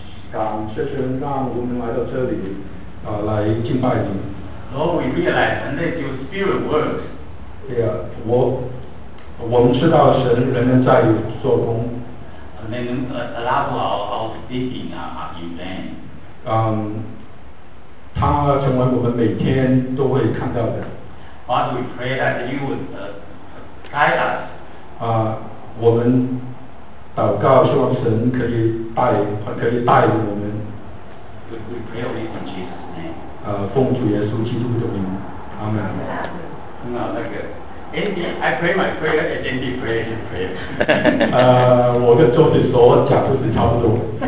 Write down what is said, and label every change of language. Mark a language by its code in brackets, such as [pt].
[zh] 感谢神让我们来到这里，来敬拜你。 [en] Lord, we realize that your spirit works. [zh] Yeah, 我们知道神仍然在做工。 [en] And then a lot of our speaking are in vain. [zh] 它成为我们每天都会看到的。 [en] But we pray that you would guide us. [zh] 我们祷告希望神可以带领我们。 [en] We pray all this in Jesus' name. [zh] 奉主耶稣基督的名。Amen. 那个。 [en] Andy, I pray my prayer and Andy pray his prayer. [zh] 我跟周姐所讲就是差不多。